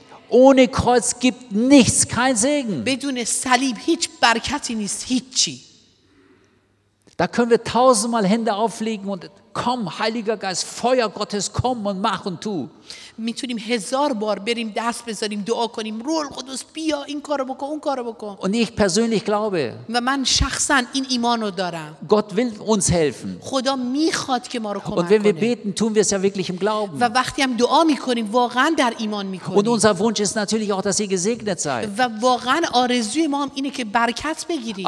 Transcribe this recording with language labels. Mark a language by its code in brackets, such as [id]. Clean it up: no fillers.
[de] Ohne Kreuz gibt nichts, kein Segen. [fa] بدون صلیب هیچ برکتی نیست، هیچی. [de] Da können wir tausendmal Hände auflegen und komm, Heiliger Geist, Feuer Gottes, komm und mach und tu. [fa] میتونیم هزار بار بریم دست بزنیم دعا کنیم روح القدس بیا این کارو بکن اون کارو بکن. [de] Und ich persönlich glaube. [fa] و من شخصا این ایمانو دارم. [de] Gott will uns helfen. [fa] خدا میخواد که ما رو کمک کنه. [de] Und wenn wir beten, tun wir es ja wirklich im Glauben. [fa] و وقتی هم دعا میکنیم واقعا در ایمان میکنیم. [de] Und unser Wunsch ist natürlich auch, dass ihr gesegnet seid. [fa] و واقعا آرزوی ما هم اینه که برکت بگیریم.